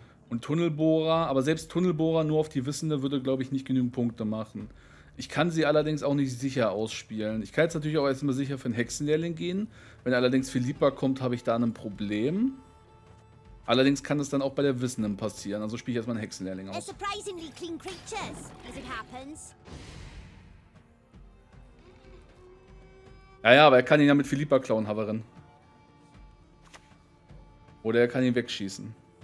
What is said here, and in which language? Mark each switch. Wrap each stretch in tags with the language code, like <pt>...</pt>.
<de>Und Tunnelbohrer, aber selbst Tunnelbohrer nur auf die Wissende würde, glaube ich, nicht genügend Punkte machen. Ich kann sie allerdings auch nicht sicher ausspielen. Ich kann jetzt natürlich auch erstmal sicher für einen Hexenlehrling gehen. Wenn allerdings Philippa kommt, habe ich da ein Problem. Allerdings kann das dann auch bei der Wissenden passieren. Also spiele ich erstmal einen Hexenlehrling aus.</de> <en>Surprisingly clean creatures, as it happens.</en> <de>Ja, aber er kann ihn ja mit Philippa klauen, Haverin. Oder er kann ihn wegschießen.</de>